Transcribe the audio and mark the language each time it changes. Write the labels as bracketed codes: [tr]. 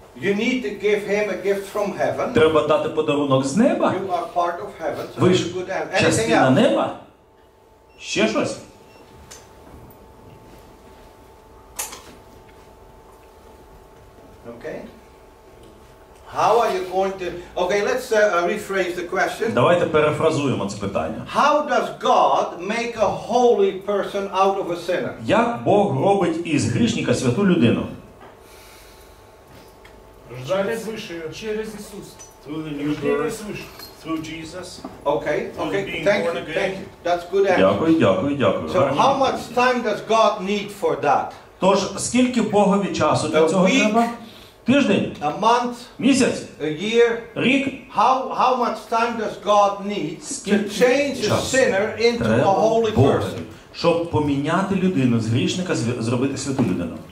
[en] You need to give him a gift from heaven. [uk] Треба дати подарунок з неба. [en] You are part of heaven. So [uk] ви ж частина неба. Ще щось? [en] Okay. How are you going to... Okay, let's rephrase the question. [uk] Давайте перефразуємо це питання. [en] How does God make a holy person out of a sinner? [uk] Як Бог робить із грішника святу людину? Через вищого, через Ісуса. [en] Through Jesus. Okay. Okay. Thank you. Thank you. That's good answer. [uk] Дякую, дякую, дякую. [en] So how much time does God need for that? [uk] Тож скільки Богові часу для цього треба? Тиждень? [en] A month? [uk] Місяць? [en] A year? [uk] Рік? [en] How much time does God need to change a sinner into a holy person? [uk] Щоб поміняти людину з грішника зробити святу людину.